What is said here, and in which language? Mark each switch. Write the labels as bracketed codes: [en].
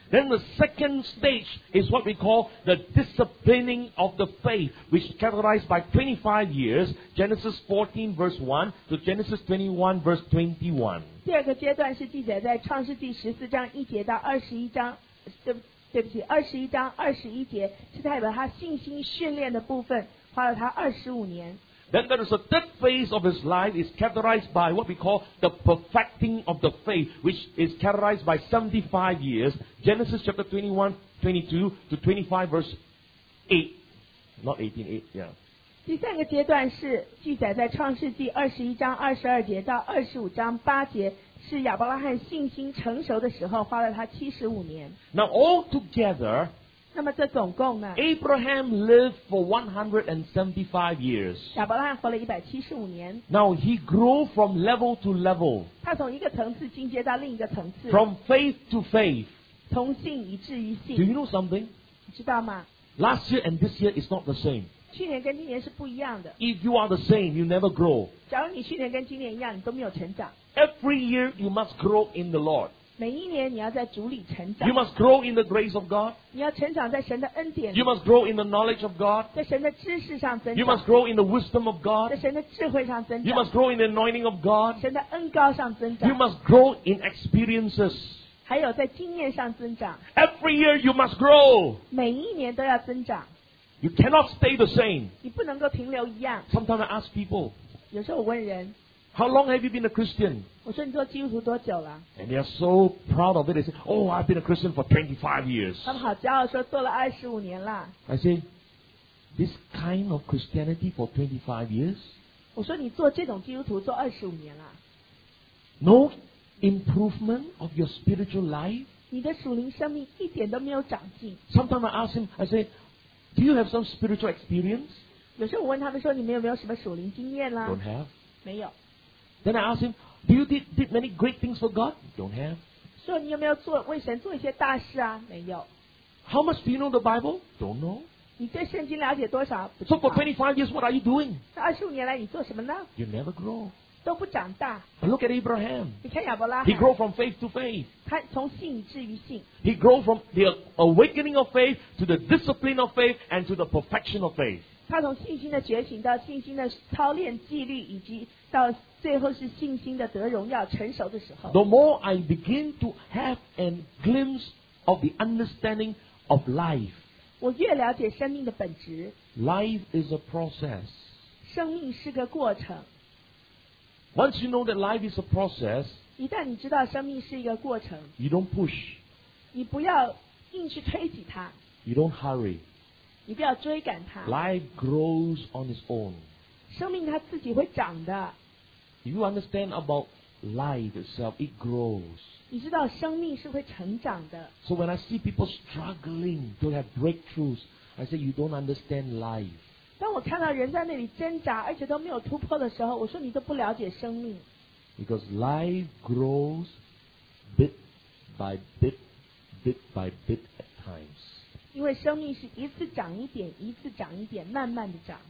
[en] Then the second stage is what we call the disciplining of the faith, which is characterized by 25 years, Genesis 14 verse 1 to Genesis 21 verse 21. [zh] 第二个阶段是记载在创世纪十四章一节到二十一章，二十一章二十一节，是代表他信心训练的部分，花了他二十五年。 [en] Then there is a third phase of his life is characterized by what we call the perfecting of the faith, which is characterized by 75 years, Genesis chapter 21, 22 to 25 verse 8, not 18, 8, yeah. [zh] 第三个阶段是记载在创世纪二十一章二十二节到二十五章八节，是亚伯拉罕信心成熟的时候，花了他七十五年。 [en] Now all together, [zh] 那么这总共呢 [en] Abraham lived for 175 years. [zh] 亚伯拉罕活了175年。 [en] Now he grew from level to level. [zh] 他从一个层次进阶到另一个层次。 [en] From faith to faith. [zh] 从信以至于信。 [en] Do you know something? [zh] 你知道吗？ [en] Last year and this year is not the same. [zh] 去年跟今年是不一样的。 [en] If you are the same, you never grow. [zh] 假如你去年跟今年一样，你都没有成长。 [en] Every year you must grow in the Lord. [zh] 每一年你要在主里成长。 [en] You must grow in the grace of God. [zh] 你要成长在神的恩典。 [en] You must grow in the knowledge of God. [zh] 在神的知识上增长。 [en] You must grow in the wisdom of God. [zh] 在神的智慧上增长。 [en] You must grow in the anointing of God. [zh] 神的恩膏上增长。 [en] You must grow in experiences. [zh] 还有在经验上增长。 [en] Every year you must grow. [zh] 每一年都要增长。 [en] You cannot stay the same. [zh] 你不能够停留一样。 [en] Sometimes I ask people. [zh] 有时候我问人。 [en] How long have you been a Christian? [zh] 我说你做基督徒多久了？ [en] And they are so proud of it. They say, "Oh, I've been a Christian for 25 years." [zh] 他们好骄傲说做了二十五年了。 [en] I say, "This kind of Christianity for 25 years?" [zh] 我说你做这种基督徒做二十五年了。 [en] No improvement of your spiritual life? [zh] 你的属灵生命一点都没有长进。 [en] Sometimes I ask him, I say, "Do you have some spiritual experience?" [zh] 有时候我问他们说你们有没有什么属灵经验啦？ [en] Don't have. [zh] 没有。 [en] Then I ask him, "Do you did many great things for God?" Don't have. [zh] 说你有没有做为神做一些大事啊？没有。 [en] How much do you know the Bible? Don't know. [zh] 你对圣经了解多少？不知道。 [en] So for 25 years, what are you doing? [zh] 那二十五年来你做什么呢？ [en] You never grow. [zh] 都不长大。 [en] But look at Abraham. [zh] 你看亚伯拉罕。 [en] He grew from faith to faith. [zh] 他从信至于信。 [en] He grew from the awakening of faith to the discipline of faith and to the perfection of faith. [zh] 他从信心的觉醒到信心的操练纪律以及到。最后是信心的得荣耀成熟的时候。 [en] The more I begin to have a glimpse of the understanding of life, [zh] 我越了解生命的本质。 [en] Life is a process. [zh] 生命是个过程。 [en] Once you know that life is a process, [zh] 一旦你知道生命是一个过程 [en] ，You don't push. [zh] 你不要硬去推挤它。 [en] You don't hurry. [zh] 你不要追赶它。 [en] Life grows on its own. [zh] 生命它自己会长的。 [en] You understand about life itself, it grows. [zh] 你知道生命是会成长的。 [en] So when I see people struggling to have breakthroughs, I say you don't understand life. [zh] 当我看到人在那里挣扎，而且都没有突破的时候，我说你都不了解生命。 [en] Because life grows bit by bit, bit by bit at times. [zh] 因为生命是一次长一点，一次长一点，慢慢的长。